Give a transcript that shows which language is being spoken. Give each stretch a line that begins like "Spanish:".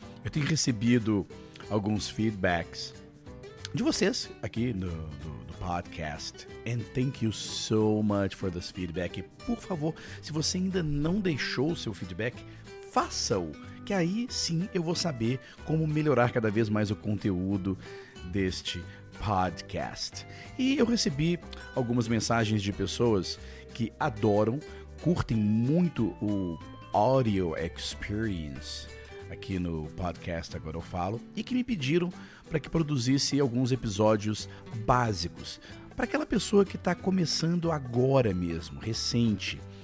Portuguese: Eu tenho recebido alguns feedbacks de vocês aqui no podcast.
English: And thank you so much for this feedback.
Portuguese: E por favor, se você ainda não deixou o seu feedback, faça-o. Que aí sim eu vou saber como melhorar cada vez mais o conteúdo deste podcast. E eu recebi algumas mensagens de pessoas que adoram, curtem muito o audio experience aqui no podcast Agora Eu Falo, e que me pediram para que produzisse alguns episódios básicos para aquela pessoa que está começando agora mesmo, recente.